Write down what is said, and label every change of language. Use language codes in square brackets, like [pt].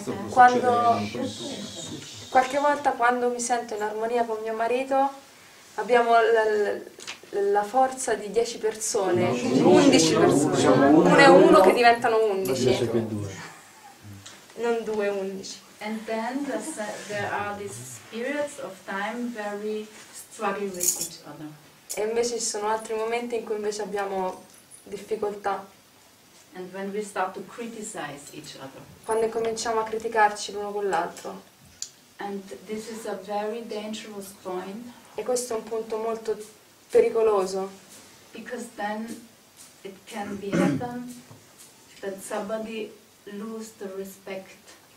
[it] quando qualche volta quando mi sento in armonia con mio marito, abbiamo la forza di 10 persone, 11 persone, uno è uno che diventano 11. Non due, 11. [en] And then there are these periods of time where we struggle with each other. [it] E invece ci sono altri momenti in cui invece abbiamo difficoltà. [en] And when we start to criticize each other. [it] Quando cominciamo a criticarci l'uno con l'altro. [en] And this is a very dangerous point. [it] E questo è un punto molto pericoloso. [en] Because then it can be happen that somebody lose the respect.